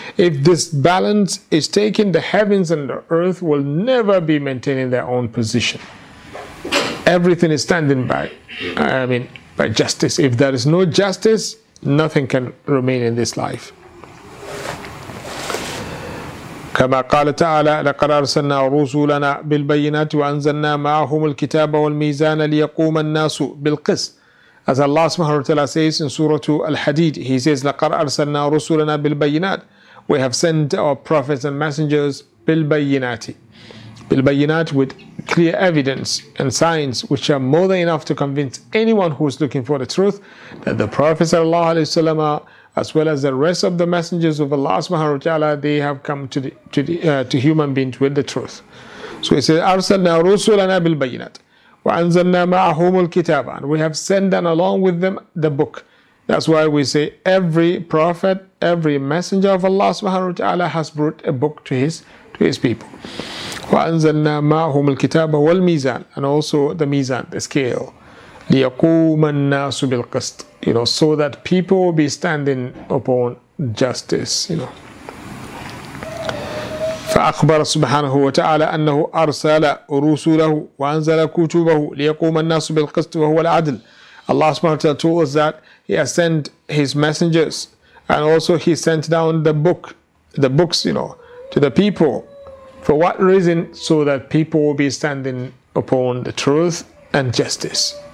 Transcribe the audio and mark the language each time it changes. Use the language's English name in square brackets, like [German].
[English] If this balance is taken, the heavens and the earth will never be maintaining their own position. Everything is standing by justice. If there is no justice, nothing can remain in this life. [Arabic] كما قال تعالى لقد أرسلنا رسلنا بالبينات وأنزلنا معهم الكتاب والميزان ليقوم الناس بالقسط. [English] As Allah subhanahu wa ta'ala says in Surah Al-Hadid, He says [Arabic] لقد أرسلنا رسلنا بالبينات, [English] we have sent our prophets and messengers بالبينات. بالبينات, with clear evidence and signs which are more than enough to convince anyone who is looking for the truth, that the Prophet sallallahu alayhi wa sallam, as well as the rest of the messengers of Allah subhanahu wa ta'ala, they have come to human beings with the truth. So he says, [Arabic] أَرْسَلْنَا رُسُولَنَا بِالْبَيِّنَةِ وَأَنزَلْنَا مَعَهُمُ الْكِتَابَ, [English] and we have sent them along with them the book. That's why we say every prophet, every messenger of Allah subhanahu wa ta'ala has brought a book to his people. [Arabic] وَأَنزَلْنَا مَعَهُمُ الْكِتَابَ وَالْمِيزَانِ, [English] and also the mizan, the scale. [Arabic] لِيَقُومَ النَّاسُ بِالْقِسْطِ, [English] so that people will be standing upon justice, [Arabic] فَأَخْبَرَ سُبْحَانَهُ وَتَعَالَى أَنَّهُ أَرْسَلَ رُسُولَهُ وَأَنزَلَ كُتُوبَهُ لِيَقُومَ النَّاسُ بِالْقِسْطِ وَهُوَ الْعَدْلِ. [English] Allah subhanahu wa ta'ala told us that He has sent His messengers, and also He sent down the books, to the people. For what reason? So that people will be standing upon the truth and justice.